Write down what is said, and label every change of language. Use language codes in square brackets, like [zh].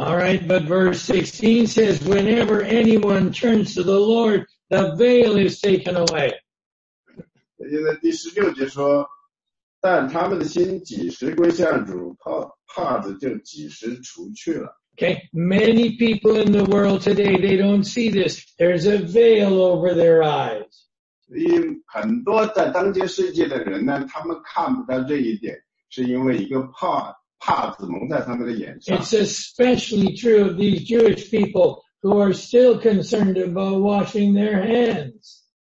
[en] All right, but verse 16 says, whenever anyone turns to the Lord, the veil is taken away. [zh] 因为第十六节说，但他们的心几时归向主，帕子就几时除去了。 [en] Okay, many people in the world today, they don't see this. There's a veil over their eyes. [zh] 所以很多在当今世界的人呢，他们看不到这一点，是因为一个帕子。 [en] It's especially true of these Jewish people who are still concerned about washing their hands.